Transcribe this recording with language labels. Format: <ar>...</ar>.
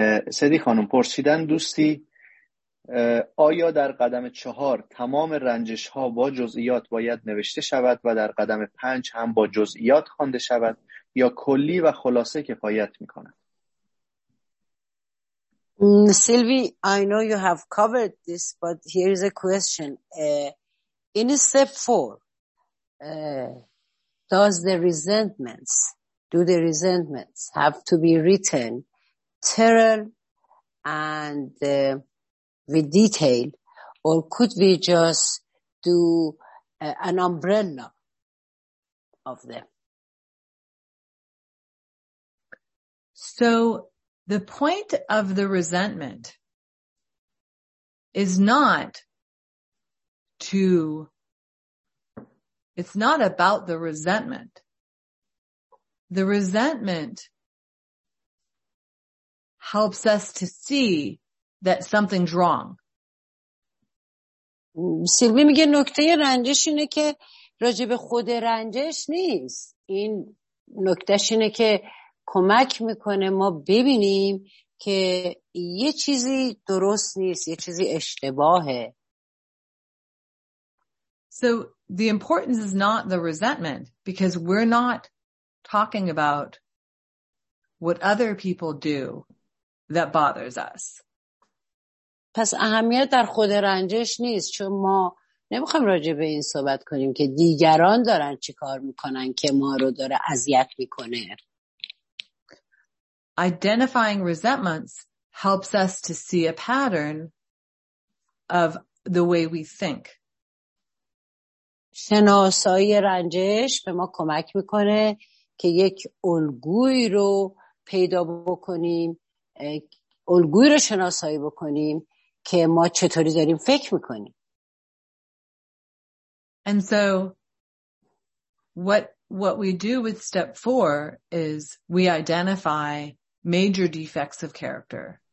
<fa>سدی خانم پرسیدن دوستی آیا در قدم 4 تمام رنجش ها با جزئیات باید نوشته شود و در قدم 5 هم با جزئیات خوانده شود یا کلی و خلاصه کفایت میکنه؟</fa> <en>Silvi, I know you have covered this, but here is a question. In step 4, do the resentments have to be written thorough and with detail, or could we just do an umbrella of them? So the point of the resentment is not to, it's not about the resentment. The resentment helps us to see that something's wrong.</en> <fa>سیلوی میگه نکته رنجش اینه که راجع به خود رنجش نیست. این نکتهش اینه که کمک میکنه ما ببینیم که یه چیزی درست نیست، یه چیزی اشتباهه.</fa> <en>So the importance is not the resentment because we're not talking about what other people do that bothers us.</en> <fa>پس اهمیت در خود رنجش نیست چون ما نمیخوایم راجع به این صحبت کنیم که دیگران دارن چی کار میکنن که ما رو داره اذیت میکنه.</fa> <en>Identifying resentments helps us to see a pattern of the way we think.</en> <fa>شناسایی رنجش به ما کمک میکنه که یک الگوی رو پیدا بکنیم، الگوی رو شناسایی بکنیم که ما چطوری داریم فکر میکنیم.</fa> <en>And so what we do with step 4 is we identify major defects of character.</en>